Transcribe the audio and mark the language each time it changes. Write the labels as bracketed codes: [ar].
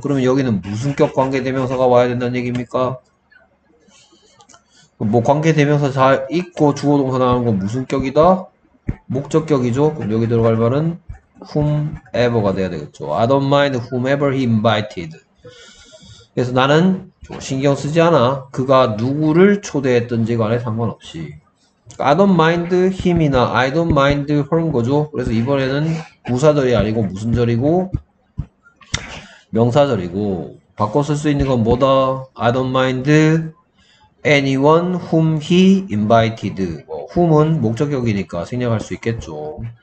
[ko] 그러면 여기는 무슨 격 관계 대명사가 와야 된다는 얘기입니까? 뭐 관계 대명사 잘 있고 주어 동사 나오는 건 무슨 격이다? 목적격이죠. 그럼 여기 들어갈 말은 whomever가 돼야 되겠죠. [en] I don't mind whomever he invited. [ko] 그래서 나는 신경 쓰지 않아. 그가 누구를 초대했던지 간에 상관없이. [en] I don't mind him이나 I don't mind her인 거죠. [ko] 그래서 이번에는 부사절이 아니고 무슨 절이고 명사절이고 바꿔 쓸수 있는 건 뭐다? [en] I don't mind anyone whom he invited. [ko] 뭐, whom은 목적격이니까 생략할 수 있겠죠.